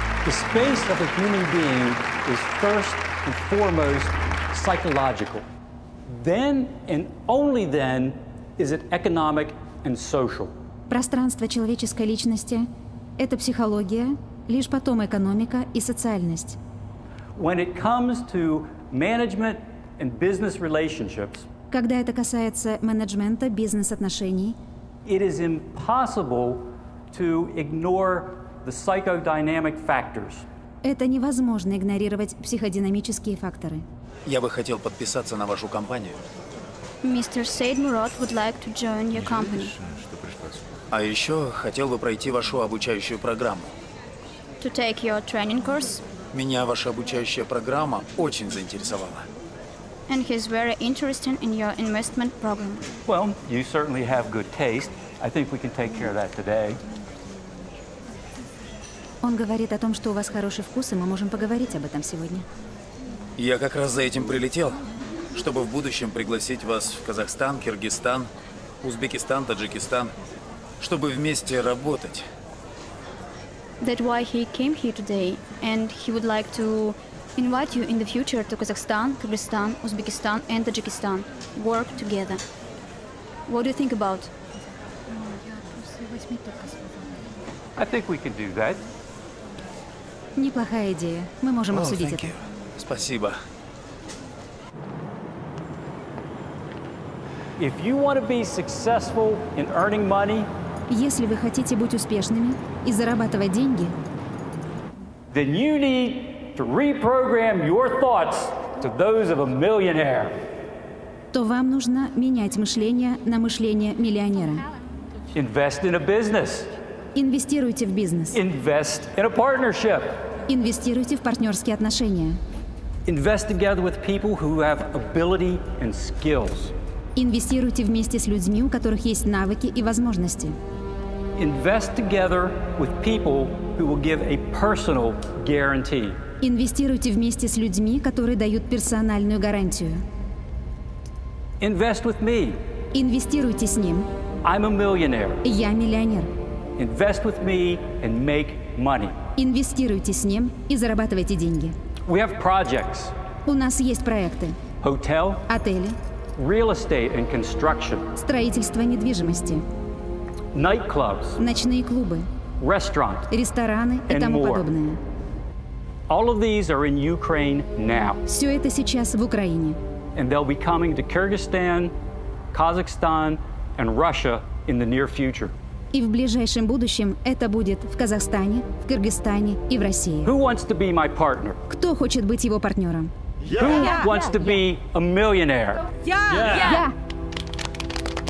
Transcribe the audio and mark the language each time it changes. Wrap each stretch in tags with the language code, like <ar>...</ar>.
<en>Space of a human being is first and foremost psychological. Then and only then is it economic and social.</en> <ru>Пространство человеческой личности – это психология, лишь потом экономика и социальность.</ru> <en>When it comes to management and business relationships,</en> <ru>когда это касается менеджмента, бизнес-отношений,</ru> <en>it is impossible to ignore the psychodynamic factors.</en> <ru>Это невозможно игнорировать психодинамические факторы. Я бы хотел подписаться на вашу компанию.</ru> <en>Мистер Саид Мурат would like to join your company.</en> <ru>А еще хотел бы пройти вашу обучающую программу.</ru> <en>To take your training course.</en> <ru>Меня ваша обучающая программа очень заинтересовала.</ru> <en>And he's very interested in your investment program. Well, you certainly have good taste. I think we can take care of that today.</en> <ru>Он говорит о том, что у вас хороший вкус, и мы можем поговорить об этом сегодня. Я как раз за этим прилетел, чтобы в будущем пригласить вас в Казахстан, Кыргызстан, Узбекистан, Таджикистан, чтобы вместе работать.</ru> <en>That's why he came here today, and he would like to invite you in the future to Kazakhstan, Kyrgyzstan, Uzbekistan and Tajikistan, work together. What do you think about? I think we can do that.</en> <ru>Неплохая идея. Мы можем обсудить это. Спасибо.</ru> <en>If you want to be successful in earning money,</en> <ru>если вы хотите быть успешными и зарабатывать деньги,</ru> <en>then you need to reprogram your thoughts to those of a millionaire.</en> <ru>То вам нужно менять мышление на мышление миллионера.</ru> <en>Invest in a business.</en> <ru>Инвестируйте в бизнес.</ru> <en>Invest in a partnership.</en> <ru>Инвестируйте в партнерские отношения.</ru> <en>Invest together with people who have ability and skills.</en> <ru>Инвестируйте вместе с людьми, у которых есть навыки и возможности.</ru> <en>Invest together with people who will give a personal guarantee.</en> <ru>Инвестируйте вместе с людьми, которые дают персональную гарантию.</ru> <en>Invest with me.</en> <ru>Инвестируйте с ним.</ru> <en>I'm a millionaire.</en> <ru>Я миллионер.</ru> <en>Invest with me and make money.</en> <ru>Инвестируйте с ним и зарабатывайте деньги.</ru> <en>We have projects.</en> <ru>У нас есть проекты.</ru> <en>Hotel.</en> <ru>Отели.</ru> <en>Real estate and construction.</en> <ru>Строительство недвижимости.</ru> <en>Nightclubs.</en> <ru>Ночные клубы.</ru> <en>Restaurants.</en> <ru>Рестораны и тому подобное.</ru> <en>All of these are in Ukraine now.</en> <ru>Все это сейчас в Украине.</ru> <en>And they'll be coming to Kyrgyzstan, Kazakhstan, and Russia in the near future.</en> <ru>И в ближайшем будущем это будет в Казахстане, в Кыргызстане и в России.</ru> <en>Who wants to be my partner?</en> <ru>Кто хочет быть его партнером?</ru> <en>Yeah. Who wants to be a millionaire? Yeah. Yeah. Yeah. Yeah.</en>